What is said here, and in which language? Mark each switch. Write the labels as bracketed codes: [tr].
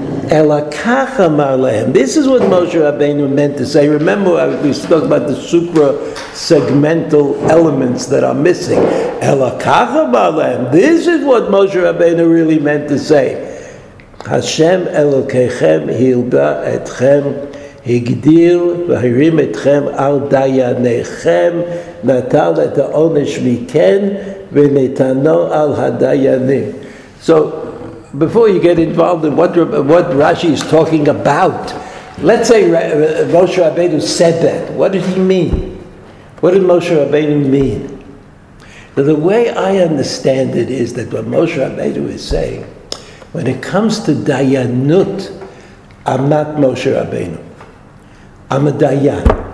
[he] Ela kach amar lehem. [en] This is what Moshe Rabbeinu meant to say. Remember, we talked about the supra segmental elements that are missing. [he] Ela kach amar lehem. [en] This is what Moshe Rabbeinu really meant to say. [he] Hashem Elokechem hilba etchem הגדיל והרים אתכם על דייניכם, נטל את העונש מכן ונתנו על הדיינים. [en] So, before you get involved in what Rashi is talking about, let's say Moshe Rabbeinu said that. What did he mean? What did Moshe Rabbeinu mean? Now, the way I understand it is that what Moshe Rabbeinu is saying, when it comes to Dayanut, I'm not Moshe Rabbeinu. I'm a Dayan.